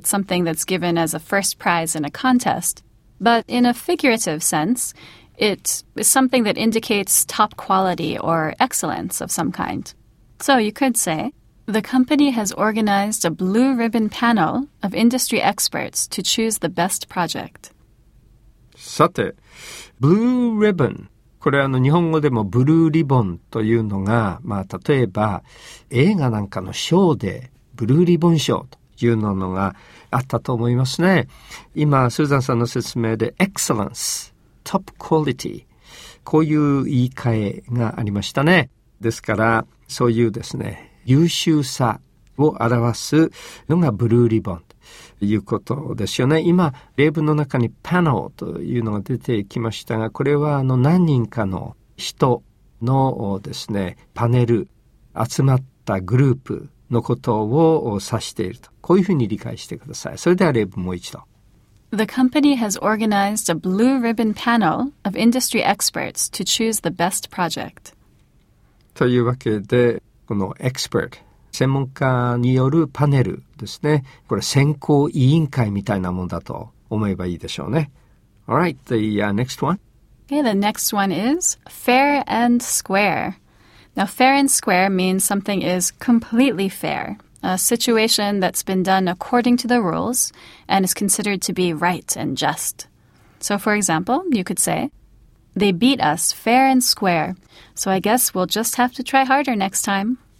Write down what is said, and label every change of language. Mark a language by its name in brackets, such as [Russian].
[English] It's something that's given as a first prize in a contest. But in a figurative sense, it is something that indicates top quality or excellence of some kind. So you could say, the company has organized a blue ribbon panel of industry experts to choose the best project. [Japanese] さて、blue ribbon。これ日本語でもブルーリボンというのが、まあ、例えば映画なんかの賞でブルーリボン賞というのがあったと思いますね。今スーザンさんの説明で excellence、top quality、こういう言い換えがありましたね。ですからそういうですね、優秀さを表すのがブルーリボンということですよね。今例文の中にパネルというのが出てきましたが、これは何人かの人のですね、パネル、集まったグループのことを指していると、こういうふうに理解してください。それでは例文もう一度。 [English] The company has organized a blue ribbon panel of industry experts to choose the best project. [Japanese] というわけで、この expert、専門家によるパネルですね。これ選考委員会みたいなものだと思えばいいでしょうね。 [English] All right, the next one. Okay, the next one is fair and square. Now, fair and square means something is completely fair, a situation that's been done according to the rules and is considered to be right and just. So, for example, you could say, they beat us fair and square, so I guess we'll just have to try harder next time.